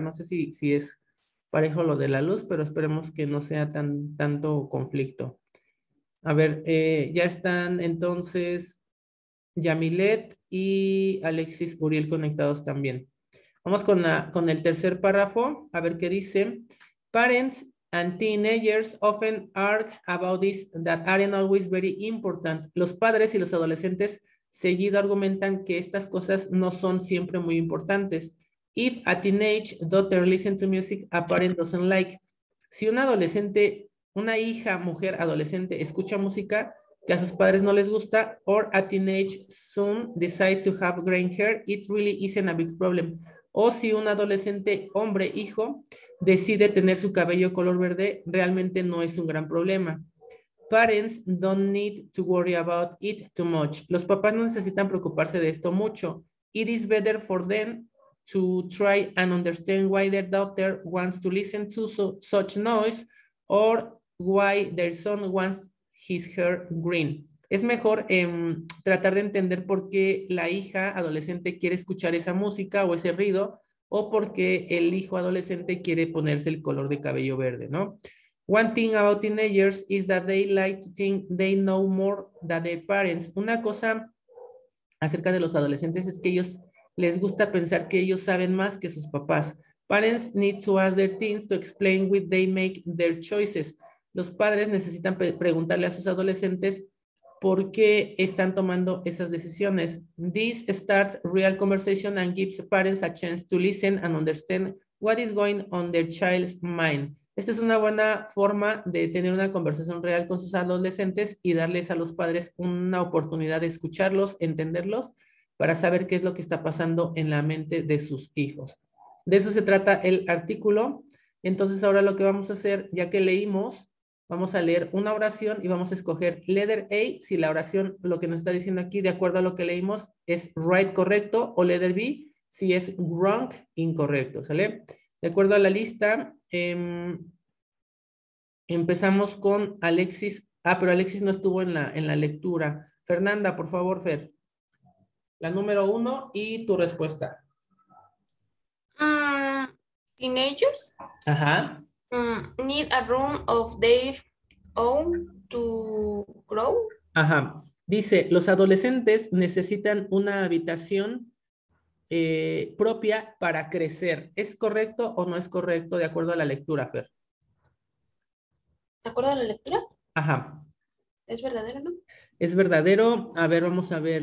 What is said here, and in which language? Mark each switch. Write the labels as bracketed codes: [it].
[es] No sé si es parejo lo de la luz, pero esperemos que no sea tanto conflicto. A ver, ya están entonces Yamilet y Alexis Uriel conectados también. Vamos con el tercer párrafo, a ver qué dice. [en] Parents and teenagers often argue about this that aren't always very important. [es] Los padres y los adolescentes seguido argumentan que estas cosas no son siempre muy importantes. [en] If a teenage daughter listens to music, a parent doesn't like. [es] Si una adolescente, una hija, mujer, adolescente, escucha música que a sus padres no les gusta, [en] or a teenage son decides to have gray hair, it really isn't a big problem. [es] O si un adolescente, hombre, hijo, decide tener su cabello color verde, realmente no es un gran problema. [en] Parents don't need to worry about it too much. [es] Los papás no necesitan preocuparse de esto mucho. [en] It is better for them to try and understand why their daughter wants to listen to such noise or why their son wants his hair green. [es] Es mejor tratar de entender por qué la hija adolescente quiere escuchar esa música o ese ruido, o por qué el hijo adolescente quiere ponerse el color de cabello verde, ¿no? [en] One thing about teenagers is that they like to think they know more than their parents. [es] Una cosa acerca de los adolescentes es que ellos les gusta pensar que ellos saben más que sus papás. [en] Parents need to ask their teens to explain why they make their choices. [es] Los padres necesitan preguntarle a sus adolescentes por qué están tomando esas decisiones. [en] This starts real conversation and gives parents a chance to listen and understand what is going on their child's mind. [es] Esta es una buena forma de tener una conversación real con sus adolescentes y darles a los padres una oportunidad de escucharlos, entenderlos, para saber qué es lo que está pasando en la mente de sus hijos. De eso se trata el artículo. Entonces, ahora lo que vamos a hacer, ya que leímos, vamos a leer una oración y vamos a escoger letter A, si la oración, lo que nos está diciendo aquí, de acuerdo a lo que leímos, es right, correcto, o letter B, si es wrong, incorrecto, ¿sale? De acuerdo a la lista, empezamos con Alexis. Ah, pero Alexis no estuvo en la lectura. Fernanda, por favor, Fer. La número uno y tu respuesta. [en] Teenagers. Ajá. Need a room of their own to grow. Ajá. [es] Dice, los adolescentes necesitan una habitación propia para crecer. ¿Es correcto o no es correcto de acuerdo a la lectura, Fer? ¿De acuerdo a la lectura? Ajá. ¿Es verdadero, no? Es verdadero. A ver, vamos a ver.